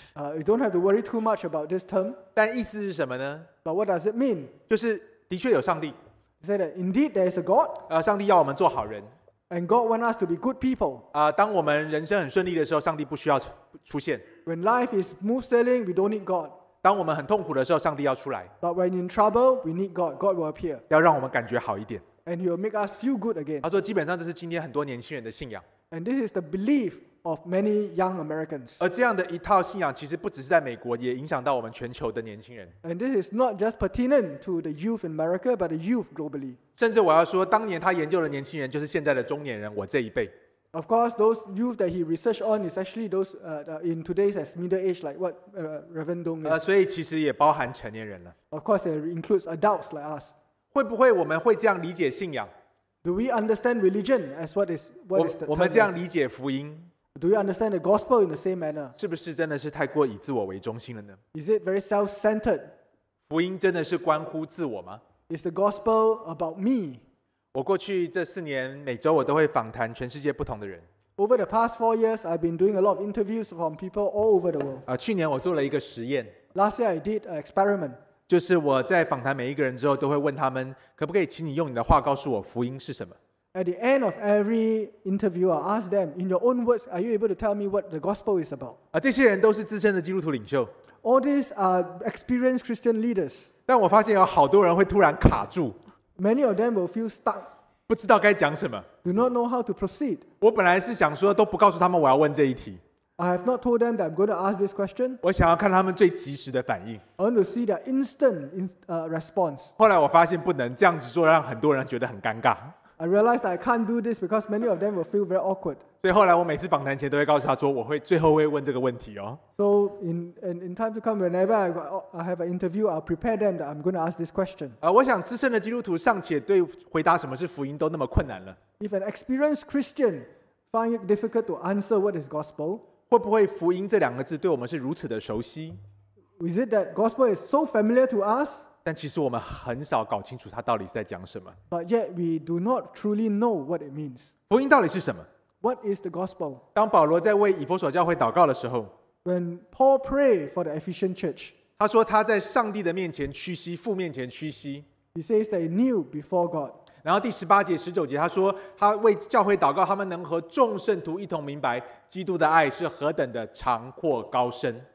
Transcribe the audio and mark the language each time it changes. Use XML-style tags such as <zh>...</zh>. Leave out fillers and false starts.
<en>You don't have to worry too much about this term.</en> <zh>但意思是什么呢？</zh> <en>But what does it mean?</en> <zh>就是的确有上帝。</zh> <en>He said that indeed there is a God.</en> <zh>上帝要我们做好人。</zh> <en>And God wants us to be good people.</en> <zh>当我们人生很顺利的时候，上帝不需要出现。</zh> <en>When life is smooth sailing, we don't need God.</en> <zh>当我们很痛苦的时候，上帝要出来。</zh> <en>But when in trouble, we need God. God will appear.</en> <zh>要让我们感觉好一点。</zh> <en>And He will make us feel good again.</en> <zh>他说，基本上这是今天很多年轻人的信仰。</zh> <en>And this is the belief of many young Americans.</en> <zh>而这样的一套信仰其实不只是在美国，也影响到我们全球的年轻人。</zh> <en>And this is not just pertinent to the youth in America, but the youth globally.</en> <zh>甚至我要说，当年他研究的年轻人就是现在的中年人，我这一辈。</zh> <en>Of course, those youth that he researched on is actually those in today's as middle age, like what Reverend Dong is.</en> <zh>所以其实也包含成年人了。</zh> <en>Of course, it includes adults like us.</en> <zh>会不会我们会这样理解信仰？</zh> <en>Do we understand religion as what is the term?</en> <zh>我们这样理解福音。</zh> <en>Do you understand the gospel in the same manner?</en> <zh>是不是真的是太过以自我为中心了呢？</zh> <en>Is it very self-centered?</en> <zh>福音真的是关乎自我吗？</zh> <en>Is the gospel about me?</en> <zh>我过去这四年，每周我都会访谈全世界不同的人。</zh> <en>Over the past 4 years, I've been doing a lot of interviews from people all over the world.</en> <zh>去年我做了一个实验。</zh> <en>Last year I did an experiment.</en> <zh>就是我在访谈每一个人之后，都会问他们，可不可以请你用你的话告诉我福音是什么？</zh> <en>At the end of every interview, I ask them, in your own words, are you able to tell me what the gospel is about?</en> <zh>这些人都是资深的基督徒领袖。</zh> <en>All these are experienced Christian leaders.</en> <zh>但我发现有好多人会突然卡住。</zh> <en>Many of them will feel stuck.</en> <zh>不知道该讲什么。</zh> <en>Do not know how to proceed.</en> <zh>我本来是想说都不告诉他们我要问这一题。</zh> <en>I have not told them that I'm going to ask this question.</en> <zh>我想要看他们最及时的反应。</zh> <en>I want to see their instant response.</en> <zh>后来我发现不能这样子做，让很多人觉得很尴尬。</zh> <en>I realized I can't do this because many of them will feel very awkward.</en> <zh>所以后来我每次访谈前都会告诉他说，我会最后会问这个问题哦。</zh> <en>So in time to come, whenever I have an interview, I'll prepare them that I'm going to ask this question.</en> <zh>我想资深的基督徒尚且对回答什么是福音都那么困难了。</zh> <en>If an experienced Christian find it difficult to answer what is gospel,</en> <zh>会不会福音这两个字对我们是如此的熟悉？</zh> <en>Is it that gospel is so familiar to us?</en> <zh>但其实我们很少搞清楚它到底是在讲什么。</zh> <en>But yet we do not truly know what it means.</en> <zh>福音到底是什么？</zh> <en>What is the gospel?</en> <zh>当保罗在为以弗所教会祷告的时候，</zh> <en>When Paul prayed for the Ephesian church,</en> <zh>他说他在上帝的面前屈膝，父面前屈膝。</zh> <en>He says that he knew before God.</en> <zh>然后第十八节、十九节，他说他为教会祷告，他们能和众圣徒一同明白基督的爱是何等的长阔高深。</zh>